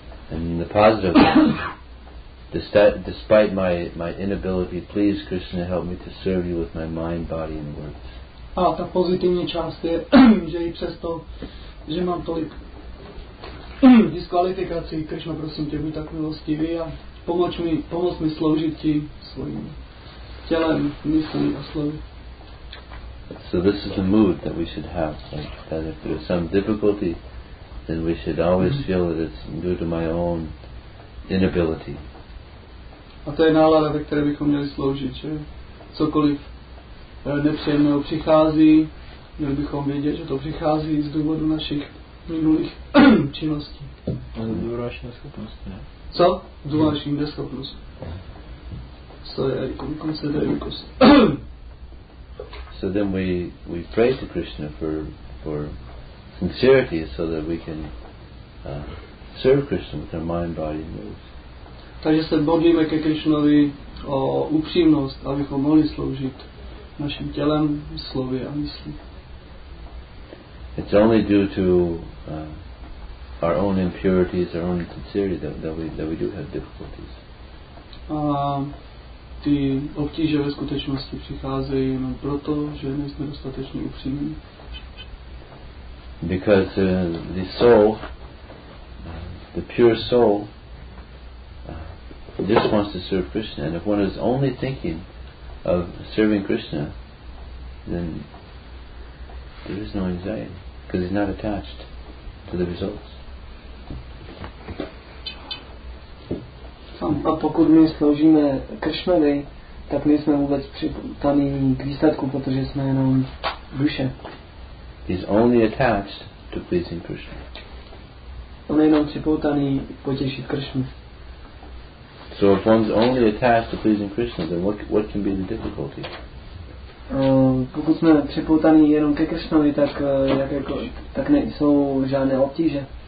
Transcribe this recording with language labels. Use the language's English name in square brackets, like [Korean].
[English] And the positive, despite my inability, please Krishna help me to serve you with my mind, body and words. [Czech] A ta pozitivní část je, že i přesto, že mám tolik diskvalifikací, Krishna, prosím tě, buď tak milostivý a pomoc mi sloužit ti svým tělem, myslí a slovy. [English] So this is the mood that we should have, that if there is some difficulty, then we should always feel that it's due to my own inability. [Czech] A to je nálada, ve které bychom měli sloužit, že cokoliv nepříjemného přichází, měli bychom vědět, že to přichází z důvodu našich minulých činností. A to důvodu naší neschopnosti, ne? Co? Důvodu naší neschopnosti. So, já jakom konceduji kost. [English] So then we pray to Krishna for sincerity so that we can serve Krishna with our mind, body and words. [Czech] Takže se modlíme ke Krishnovi o upřímnost, abychom mohli sloužit našim tělem, slovy a myslí. [English] It's only due to our own impurities, our own sincerity that we do have difficulties. [Czech] A ty obtíže ve skutečnosti přicházejí jenom proto, že nejsme dostatečně upřímní. [English] Because the soul, the pure soul, just wants to serve Krishna. And if one is only thinking of serving Krishna, then there is no anxiety because he's not attached to the results. [Czech] A pokud my sloužíme Krishnovi, tak my jsme vůbec připutaní k výsledku, protože jsme jenom duše. [English] He's only attached to pleasing Krishna. [Czech] On je jenom připoutaný potěšit Krishnu. [English] So if one's only attached to pleasing Krishna, then what can be the difficulty? [Czech] Pokud jsme připoutaní jenom ke Krishnovi, tak tak nejsou žádné obtíže.